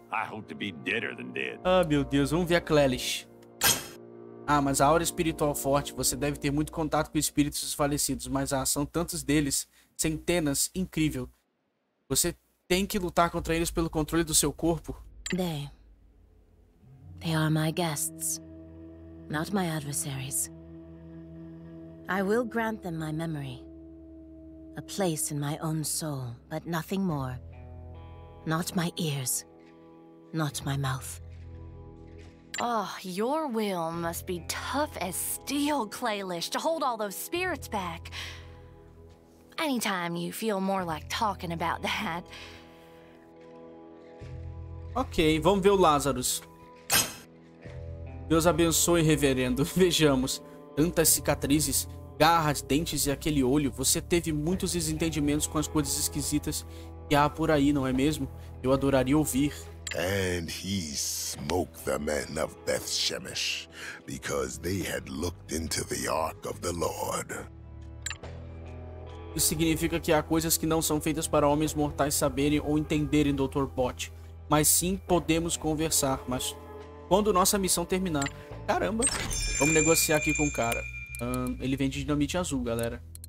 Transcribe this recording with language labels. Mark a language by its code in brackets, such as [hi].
[pt] Ah, meu Deus, vamos ver a Clelish. Ah, mas a aura espiritual forte, você deve ter muito contato com espíritos falecidos, mas são tantos deles, centenas, incrível. Você tem que lutar contra eles pelo controle do seu corpo? [en] They are my guests, not my adversaries. I will grant them my memory, A place in my own soul, but nothing more. Not my ears. Not my mouth. Oh, your will must be tough as steel, Clalish, to hold all those spirits back. Anytime you feel more like talking about that. [pt] Ok, vamos ver o Lazarus. Deus abençoe, reverendo. Vejamos. Tantas cicatrizes, garras, dentes e aquele olho. Você teve muitos desentendimentos com as coisas esquisitas que há por aí, não é mesmo? Eu adoraria ouvir. [en] And he smote the men of Beth Shemesh, because they had looked into the ark of the Lord. [pt] Isso significa que há coisas que não são feitas para homens mortais saberem ou entenderem, Dr. Bot. Mas sim, podemos conversar, mas quando nossa missão terminar. Caramba, vamos negociar aqui com o cara. Ele vende dinamite azul, galera.